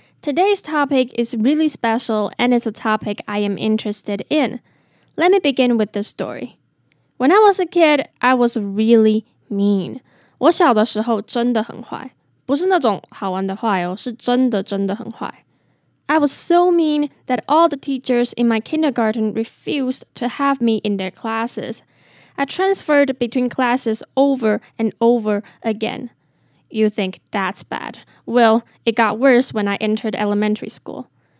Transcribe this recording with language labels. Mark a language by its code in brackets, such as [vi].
[en] Today's topic is really special, and it's a topic I am interested in. Let me begin with the story. When I was a kid, I was really mean. [zh] 我小的时候真的很坏，不是那种好玩的坏哦，是真的真的很坏。 [en] I was so mean that all the teachers in my kindergarten refused to have me in their classes. I transferred between classes over and over again. You think that's bad. Well, it got worse when I entered elementary school.